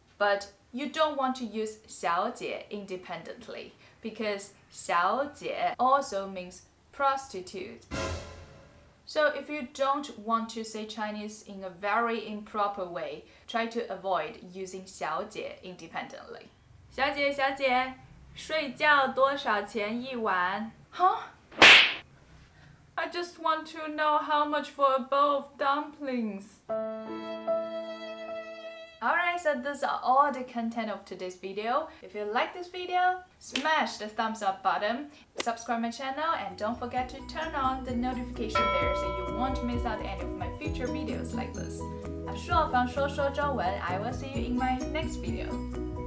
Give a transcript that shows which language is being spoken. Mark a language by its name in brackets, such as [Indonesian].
[English] But you don't want to use 小姐 independently, because 小姐 also means prostitute. So if you don't want to say Chinese in a very improper way, try to avoid using 小姐 independently. [Chinese] 小姐小姐，睡觉多少钱一晚？ Huh? [English] I just want to know how much for a bowl of dumplings. Alright, so these are all the content of today's video. If you like this video, smash the thumbs up button, subscribe my channel, and don't forget to turn on the notification bell so you won't miss out any of my future videos like this. I'm 硕方说说中文, I will see you in my next video.